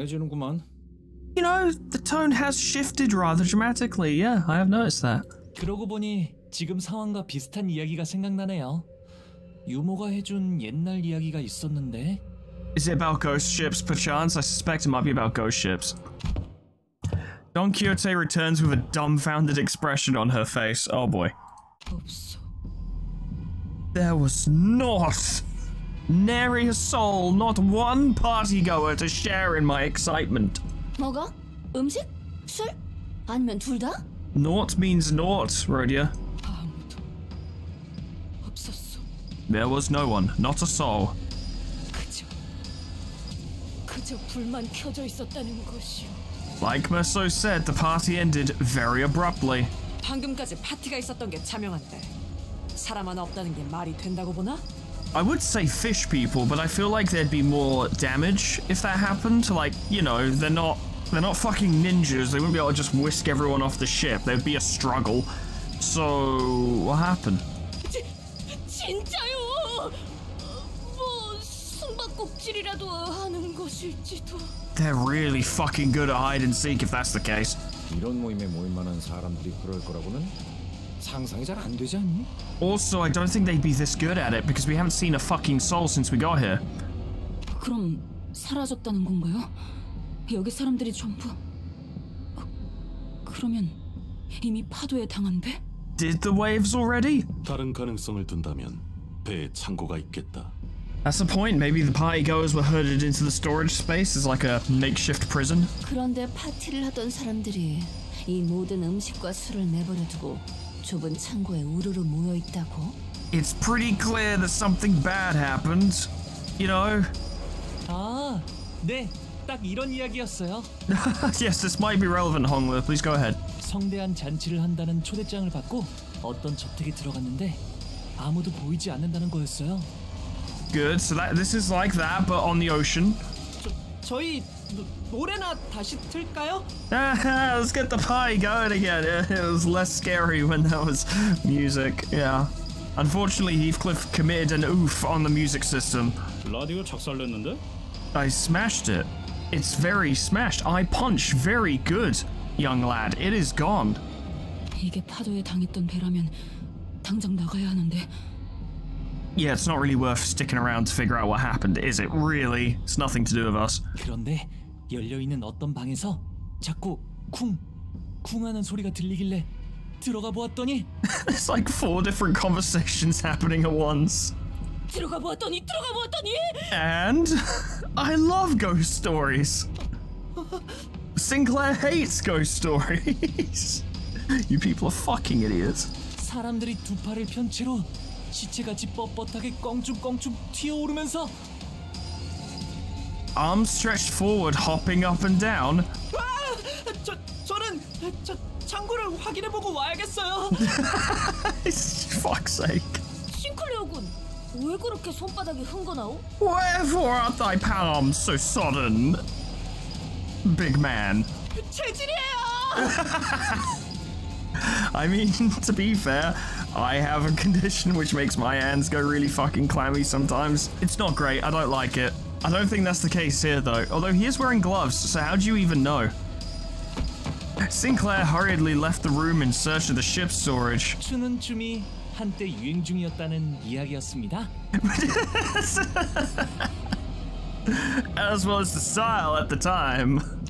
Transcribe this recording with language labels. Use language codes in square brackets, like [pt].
[en] You know, the tone has shifted rather dramatically. Yeah, I have noticed that. [ko] 그러고 보니 지금 상황과 비슷한 이야기가 생각나네요. 유모가 해준 옛날 이야기가 있었는데. [en] Is it about ghost ships, perchance? I suspect it might be about ghost ships. Don Quixote returns with a dumbfounded expression on her face. Oh boy. Oops. There was not nary a soul, not one partygoer to share in my excitement. [ko] 뭐가? 음식? 술? 아니면 둘 다? [en] Naught means naught, Rodia. [ko] 아무도 없었어. [en] There was no one, not a soul. [ko] 그저 불만 켜져 있었다는 것이오. [en] Like Merso said, the party ended very abruptly. [ko] 방금까지 파티가 있었던 게 차명한데 사람 하나 없다는 게 말이 된다고 보나? [en] I would say fish people, but I feel like there'd be more damage if that happened. Like, you know, they're not fucking ninjas. They wouldn't be able to just whisk everyone off the ship. There'd be a struggle. So, what happened? [ko] 진짜요? 뭐 숨바꼭질이라도 하는 것일지도. [en] They're really fucking good at hide and seek if that's the case. [ko] 이런 모임에 모일 만한 사람들이 그럴 거라고는 상상이 잘 안 되지 않니? [en] Also, I don't think they'd be this good at it because we haven't seen a fucking soul since we got here. [ko] 그럼 사라졌다는 건가요? 여기 사람들이 전부 그러면 이미 파도에 당한 배? [en] Did the waves already? [ko] 다른 가능성을 둔다면 배에 창고가 있겠다. [en] That's the point. Maybe the partygoers were herded into the storage space as like a makeshift prison. 그런데 파티를 하던 사람들이 이 모든 음식과 술을 내버려두고 좁은 창고에 우르르 모여 있다고? It's pretty clear that something bad happened. You know. [ko] 아, 네. 딱 이런 이야기였어요. [en] Yes, this might be relevant, Hongwe. Please go ahead. [ko] 성대한 잔치를 한다는 초대장을 받고 어떤 저택에 들어갔는데 아무도 보이지 않는다는 거였어요. [en] Good. So that this is like that, but on the ocean. [ko] 저희 노래나 다시 틀까요? [en] Let's get the party going again. It was less scary when there was music. Yeah. Unfortunately, Heathcliff committed an oof on the music system. [ko] 라디오 작살냈는데? [en] I smashed it. It's very smashed. I punch very good, young lad. It is gone. [ko] 이게 파도에 당했던 배라면 당장 나가야 하는데. [en] Yeah, it's not really worth sticking around to figure out what happened, is it? Really? It's nothing to do with us. [ko] 그런데 열려 있는 어떤 방에서 자꾸 쿵 쿵하는 소리가 들리길래 들어가 보았더니 [en] It's like four different conversations happening at once. [ko] 들어가 보았더니 들어가 보았더니 [en] And I love ghost stories. Sinclair hates ghost stories. You people are fucking idiots. [ko] 사람들이 두 팔을 편 채로 시체같이 뻣뻣하게 껑충껑충 튀어오르면서 [en] Arms stretched forward, hopping up and down. 아! [ko] 저는 저 창고를 확인해보고 와야겠어요. [en] Fuck's sake. [ko] 싱클레어군, 왜 그렇게 손바닥이 흥건하오? [en] Wherefore art thy palms so sudden? Big man. [ko] 체질이에요! [en] I mean, to be fair, I have a condition which makes my hands go really fucking clammy sometimes. It's not great, I don't like it. I don't think that's the case here though, although he is wearing gloves, so how do you even know? Sinclair hurriedly left the room in search of the ship's storage. [ko] 추는 춤이 한때 유행 중이었다는 이야기였습니다. [en] As well as the style at the time.